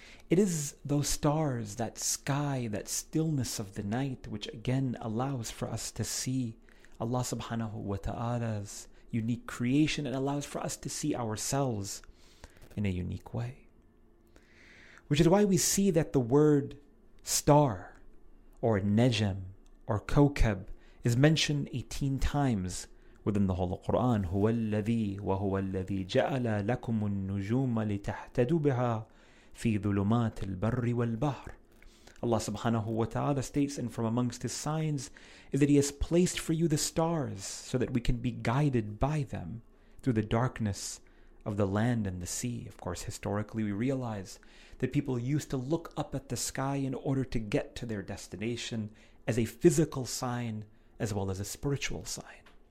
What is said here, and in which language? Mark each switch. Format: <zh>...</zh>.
<en>It is those stars, that sky, that stillness of the night, which again allows for us to see Allah subhanahu wa ta'ala's unique creation and allows for us to see ourselves in a unique way. Which is why we see that the word star or najm or kawkab is mentioned 18 times within the Holy Quran.</en> <ar>هو الذي وهو الذي جعل لكم النجوم لتهتدوا بها في ظلمات البر والبحر.</ar> <en>Allah subhanahu wa ta'ala states, and from amongst His signs is that He has placed for you the stars so that we can be guided by them through the darkness of the land and the sea. Of course, historically we realize that people used to look up at the sky in order to get to their destination as a physical sign as well as a spiritual sign.</en>